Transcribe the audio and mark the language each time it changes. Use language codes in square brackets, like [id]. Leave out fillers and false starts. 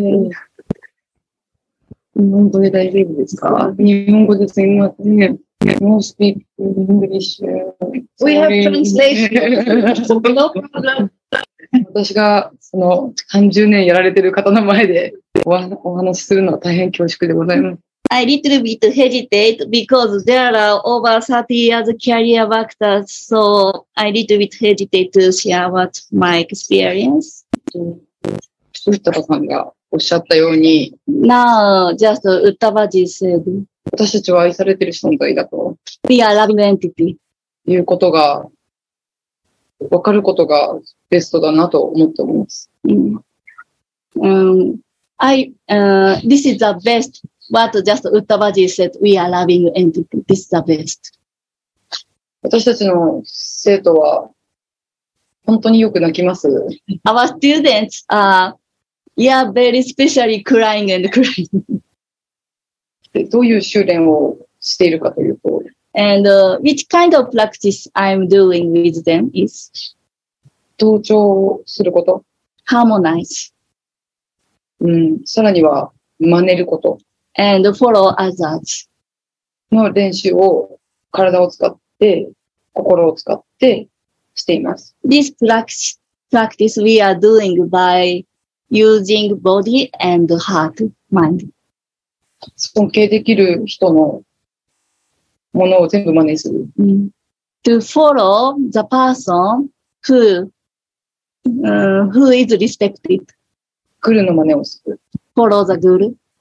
[ja] 日本語で大丈夫ですか？日本語ですみません。もう [en] スピーク、イングリッシュ。 We have translation. No problem. [ja] 私が30年やられてる方の前でお話しするのは大変恐縮でございます。 [en] I little bit hesitate because there are over 30 years career workers, so I little bit hesitate to share what my experience. [ja] Uttaba さんがおっしゃったように。 [en] Now, just Uttabaji said. [ja] 私たちは愛されてる存在だと。 [en] We are loved entity. [ja] いうことが、わかることがベストだなと思っております。 [en] This is the best. But just Uttabaji said, we are loving entity. This is the best. [ja] 私たちの生徒は本当によく泣きます。 [en] Our students are, yeah, very specially crying and crying. [ja] どういう修練をしているかというと。 [en] And, which kind of practice I'm doing with them is? [ja] 同調すること。 [en] Harmonize. [ja] さらには真似ること。 [en] And follow others. [ja] の練習を体を使って、心を使ってしています。 [en] This practice we are doing by using body and heart, mind. [ja] 尊敬できる人のものを全部真似する。 [en] Mm. To follow the person who is respected. [ja] グルの真似をする。 [en] Follow the guru.